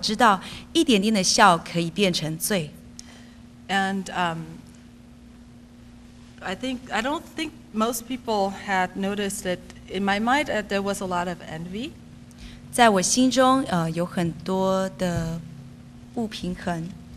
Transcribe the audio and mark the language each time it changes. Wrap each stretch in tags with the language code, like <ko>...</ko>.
<zh>但是在那个时候，神教导我，让我知道一点点的笑可以变成罪。</zh> <en>And I don't think most people had noticed that in my mind there was a lot of envy.</en> <zh>在我心中有很多的不平衡。</zh>